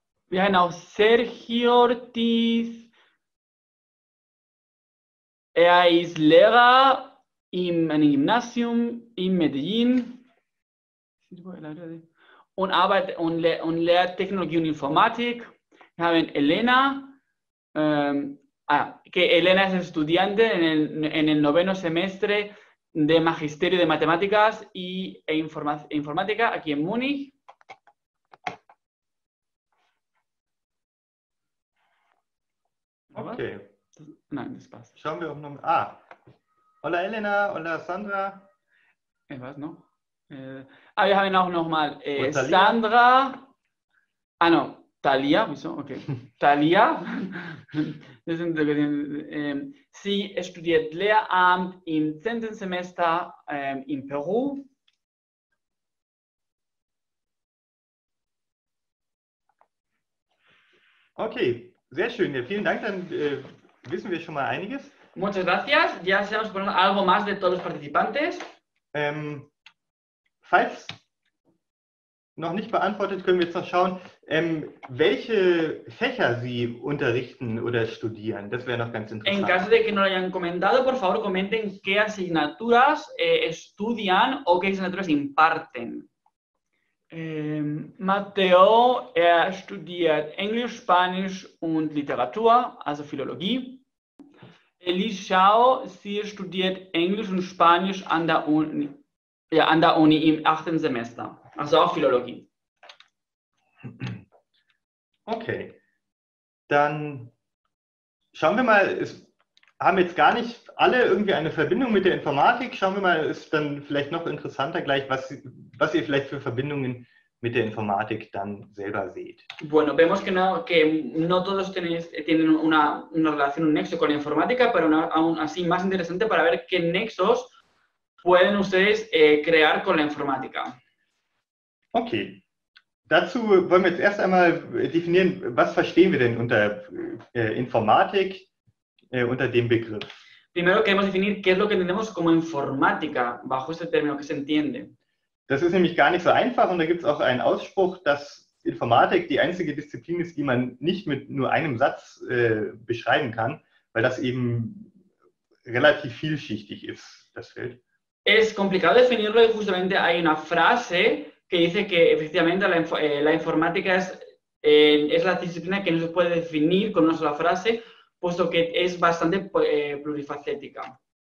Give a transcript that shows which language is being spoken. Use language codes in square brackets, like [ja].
[de] Wir haben auch Sergio Ortiz. Er ist Lehrer in einem Gymnasium in Medellin und arbeite und lehre Technologie und Informatik. Wir haben Elena, [es] que Elena es estudiante en el noveno semestre de Magisterio de Matemáticas e Informática aquí en Múnich. Okay. [de] Nein, das passt. Schauen wir auf Nummer. Ah. [es] Hola Elena, hola Sandra. [de] Was noch? Wir haben auch nochmal Sandra. Ah, no. Talia, wieso? Okay. Talia. Sie studiert Lehramt im 10. Semester in Peru. Okay. Sehr schön, ja, vielen Dank, dann wissen wir schon mal einiges. [es] Muchas gracias, ya sabemos por algo más de todos los participantes. [de] Falls noch nicht beantwortet, können wir jetzt noch schauen, welche Fächer Sie unterrichten oder studieren. Das wäre noch ganz interessant. [es] En caso de que no lo hayan comentado, por favor comenten qué asignaturas estudian o qué asignaturas imparten. [de] Matteo, er studiert Englisch, Spanisch und Literatur, also Philologie. Elisao, sie studiert Englisch und Spanisch an der Uni, ja, an der Uni im 8. Semester, also auch Philologie. Okay, dann schauen wir mal, es haben jetzt gar nicht alle irgendwie eine Verbindung mit der Informatik. Schauen wir mal, ist dann vielleicht noch interessanter gleich, was ihr vielleicht für Verbindungen mit der Informatik dann selber seht. [es] Bueno, vemos que no todos tienen una relación, un nexo con la informática, pero aún así más interesante para ver qué nexos pueden ustedes crear con la informática. [de] Okay, dazu wollen wir jetzt erst einmal definieren, was verstehen wir denn unter Informatik, unter dem Begriff. [es] Primero queremos definir qué es lo que entendemos como informática bajo este término que se entiende. [de] Das ist nämlich gar nicht so einfach und da gibt es auch einen Ausspruch, dass Informatik die einzige Disziplin ist, die man nicht mit nur einem Satz beschreiben kann, weil das eben relativ vielschichtig ist, das Feld. [es] Es complicado definirlo y justamente hay una frase que dice que efectivamente la informática es la disciplina que no se puede definir con una sola frase, puesto que es bastante plurifacética.